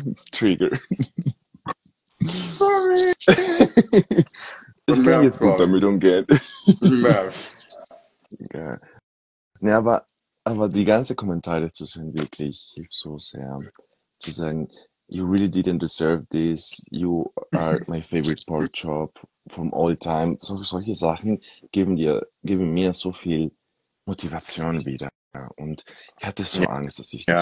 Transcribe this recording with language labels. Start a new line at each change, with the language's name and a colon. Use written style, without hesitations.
English: Downfall. Sorry.
German: Ich kann jetzt gut damit umgehen. Merf. Ja. Nee, aber die ganzen Kommentare zu sehen, wirklich hilft so sehr. Zu sagen,
English: you really didn't deserve this, you are my favorite pork chop from all time.
German: Solche Sachen geben mir so viel Motivation wieder. Und ich hatte so Angst, dass ich das